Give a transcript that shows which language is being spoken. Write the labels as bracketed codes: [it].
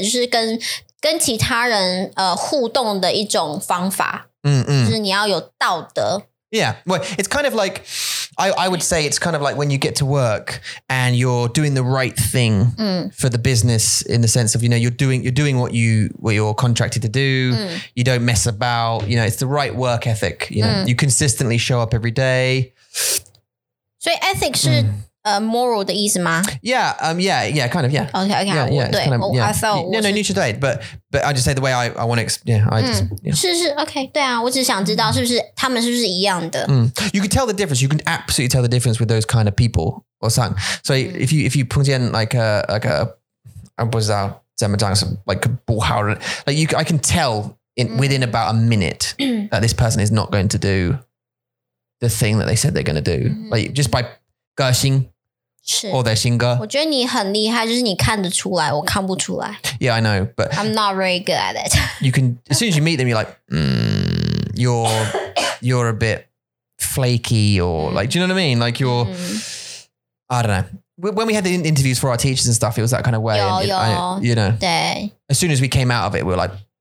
[zh] 就是跟其他人互动的一种方法。就是你要有道德。 [en] Yeah, well, it's kind of like, I would say it's kind of like when you get to work and you're doing the right thing for the business in the sense of, you know, you're doing what you're contracted to do. You don't mess about, you know, it's the right work ethic. You know, you consistently show up every day. So [zh] ethic 是moral 的意思吗 [en] Yeah, kind of. Okay, 我 I felt No, [zh] 你是对 [en] but I just say the way I want to explain Yeah, I just [zh] 是 okay 对啊我只想知道是不是他们是不是一样的 [en] You can tell the difference You can absolutely tell the difference with those kind of people or something So if you 碰见 like a I [zh] 不知道怎么讲 [en] like a [zh] 不好人 [en] like you, I can tell in, within about a minute that this person is not going to do the thing that they said they're going to do like just by个性 [zh] 或者性格我觉得你很厉害就是你看得出来我看不出来 [en] Yeah, I know but I'm not very good at it You can As soon as you meet them You're like You're a bit flaky Or like Do you know what I mean? Like you're I don't know When we had the interviews for our teachers and stuff It was that kind of way [zh] 有 [en] You know [zh] 对 [en] As soon as we came out of it We were like